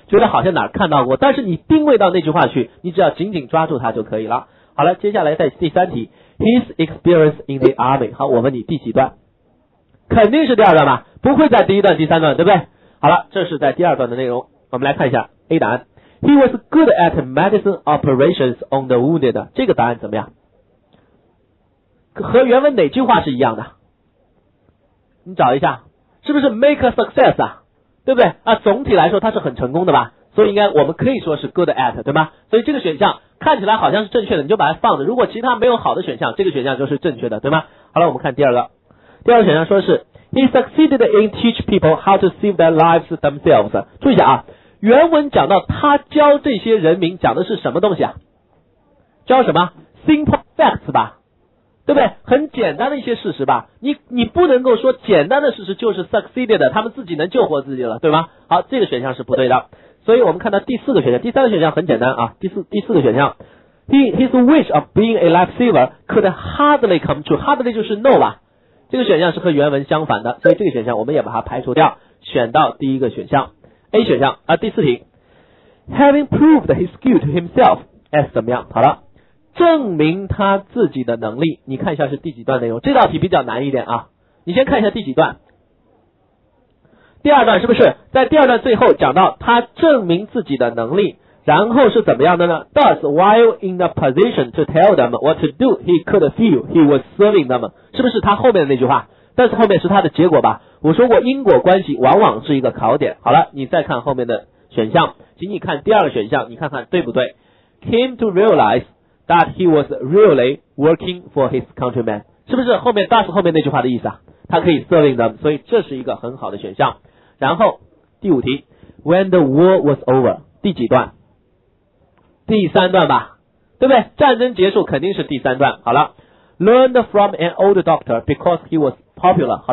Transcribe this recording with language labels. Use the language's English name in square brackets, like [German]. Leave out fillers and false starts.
[Chinese] 觉得好像哪看到过，但是你定位到那句话去，你只要紧紧抓住它就可以了。好了，接下来在第三题 [English] His experience in the army。 [Chinese] 好，我问你第几段？肯定是第二段吧，不会在第一段第三段，对不对？好了，这是在第二段的内容，我们来看一下 A 答案。 [English] He was good at medicine operations on the wounded， [Chinese] 这个答案怎么样？和原文哪句话是一样的？你找一下，是不是 [English] make a success [Chinese] 啊，对不对？啊，总体来说它是很成功的吧，所以应该我们可以说是 good at， 对吗？所以这个选项看起来好像是正确的，你就把它放着，如果其他没有好的选项，这个选项就是正确的，对吗？好了，我们看第二个。第二个选项说的是 [English] He succeeded in teach people how to save their lives themselves。 [Chinese] 注意一下啊，原文讲到他教这些人民讲的是什么东西啊？教什么 [English] simple facts [Chinese] 吧，对不对？很简单的一些事实吧。你不能够说简单的事实就是 succeeded， 他们自己能救活自己了，对吗？好，这个选项是不对的。所以我们看到第四个选项，第三个选项很简单啊。第四个选项 [English] His wish of being a lifesaver could hardly come true， [Chinese] hardly 就是 no 吧，这个选项是和原文相反的，所以这个选项我们也把它排除掉，选到第一个选项 A 选项啊。第四题 [English] Having proved his skill to himself as [Chinese] 怎么样，好了，证明他自己的能力。你看一下是第几段内容，这道题比较难一点啊。你先看一下第几段，第二段，是不是在第二段最后讲到他证明自己的能力，然后是怎么样的呢？ [English] Thus while in the position to tell them what to do he could feel he was serving them， [Chinese] 是不是他后面的那句话？但是后面是他的结果吧，我说过因果关系往往是一个考点。好了，你再看后面的选项，请你看第二个选项，你看看对不对。 [English] Came to realize that he was really working for his countrymen， [Chinese] 是不是后面 thus 后面那句话的意思啊？他可以 serving them， 所以这是一个很好的选项。然后第五题 [English] When the war was over， [Chinese] 第几段？第三段吧，对不对？战争结束肯定是第三段。好了， [English] Learned from an old doctor because he was popular。